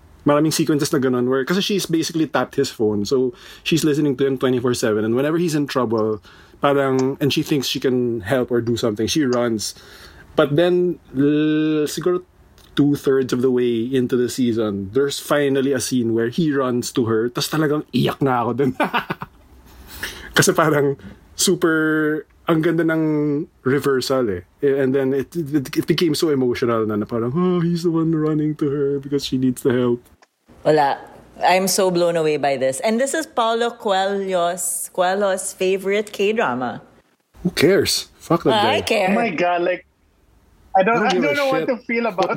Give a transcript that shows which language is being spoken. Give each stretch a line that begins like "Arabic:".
Filipino: maraming
English: sequences
Filipino: na ganun
English: where,
Filipino: kasi
English: she's basically tapped his phone, so she's listening to him 24/7, and whenever he's in trouble,
Filipino: parang,
English: and she thinks she can help or do something, she runs. But then,
Filipino: siguro
English: two-thirds of the way into the season, there's finally a scene where he runs to her,
Filipino: tas talagang iyak na ako din. Kasi parang,
English: super,
Filipino: ang ganda ng reversal eh.
English: And then it became so emotional
Filipino: na parang,
English: oh, he's the one running to her because she needs the help.
Filipino: Wala.
English: I'm so blown away by this. And this is Paulo Coelho's favorite K-drama. Who cares? Fuck that guy. I care. Oh my God, like, I don't know what to feel about